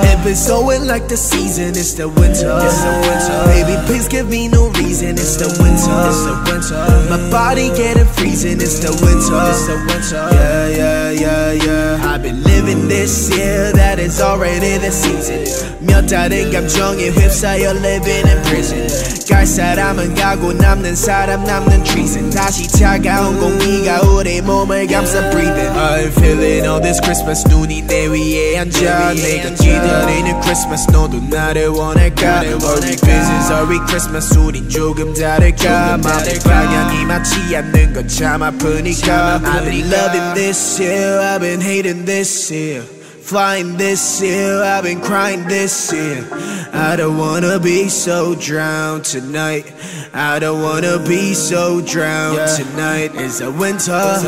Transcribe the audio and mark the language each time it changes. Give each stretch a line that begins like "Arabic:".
English: If it's snowing like the season, it's the winter. It's the winter. Baby, please give me no reason. It's the winter. It's the winter. My body getting freezing. It's the winter. It's the winter. Yeah. I've been living this year. That is already the season.
Korean: 몇 달인 감정에 휩싸여
English: living in prison.
Korean: 갈 사람은 가고 남는 사람 남는 treason. 다시 차가운 공기가 우리 몸을 감싸 breathing.
English: I'm feeling all this Christmas.
Korean: 눈이 내 위에 앉아 내가 기다리는 Christmas. 너도 나를 원할까?
English: Are we business? Are we Christmas?
Korean: 우린 조금 다를까? 마음의 방향이 맞지 않는 건 참 아프니까.
English: I've been loving this year. I've been hating this year. Flying this year, I've been crying this year. I don't wanna be so drowned tonight. I don't wanna be so drowned tonight. It's a winter.